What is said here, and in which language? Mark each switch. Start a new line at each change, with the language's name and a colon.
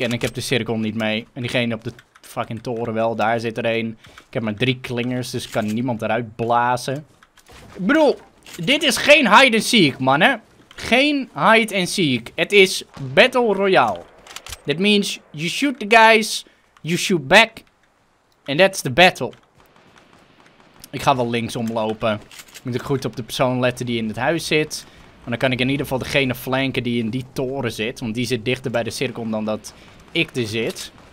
Dutch: En ik heb de cirkel niet mee. En diegene op de fucking toren wel. Daar zit er één. Ik heb maar 3 klingers, dus kan niemand eruit blazen. Ik bedoel, dit is geen hide and seek, mannen. Geen hide and seek. Het is battle royale.
English: That means you shoot the guys, you shoot back. And that's the battle.
Dutch: Ik ga wel linksom lopen. Moet ik goed op de persoon letten die in het huis zit. Want dan kan ik in ieder geval degene flanken die in die toren zit. Want die zit dichter bij de cirkel dan dat ik er zit.